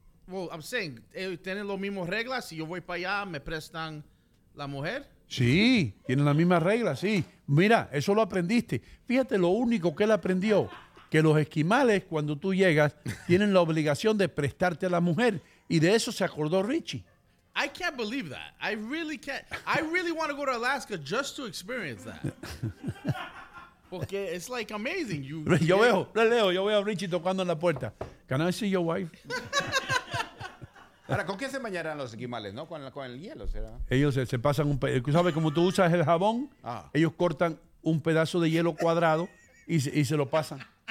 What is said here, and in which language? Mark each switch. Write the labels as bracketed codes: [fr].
[en] Well, I'm saying, [es] ellos tienen las mismas reglas. Si yo voy para allá, ¿me prestan la mujer? Sí, tienen las mismas reglas, sí. Mira, eso lo aprendiste. Fíjate lo único que él aprendió. Que los esquimales, cuando tú llegas, tienen la obligación de prestarte a la mujer. Y de eso se acordó Richie. [en] I can't believe that. I really can't. I really want to go to Alaska just to experience that. [es] Porque [en] it's like amazing. You [es] yo veo, Leo, yo veo a Richie tocando en la puerta. [en] Can I see your wife? [es] Ahora, ¿con qué se bañarán los esquimales, no? Con el hielo, ¿será? Ellos se pasan un pedazo. ¿Sabes? Como tú usas el jabón, ellos cortan un pedazo de hielo cuadrado y se lo pasan.